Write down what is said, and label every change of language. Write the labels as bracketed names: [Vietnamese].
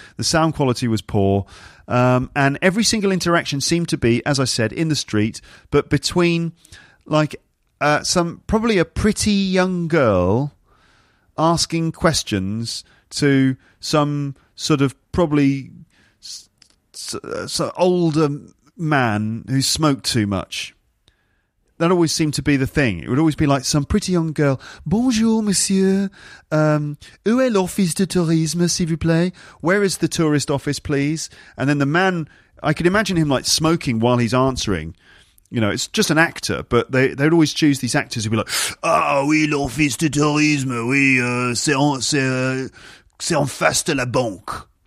[English] The sound quality was poor, and every single interaction seemed to be, as I said, in the street, but between, like, probably a pretty young girl asking questions to some sort of probably older man who smoked too much. That always seemed to be the thing. It would always be like some pretty young girl, [French] "Bonjour, monsieur. Où est l'office de tourisme, s'il vous plaît? [English] Where is the tourist office, please?" And then the man, I could imagine him like smoking while he's answering. You know, it's just an actor, but they'd always choose these actors who'd be like, [French] "Ah, oui, l'office de tourisme, oui, c'est en face de la banque."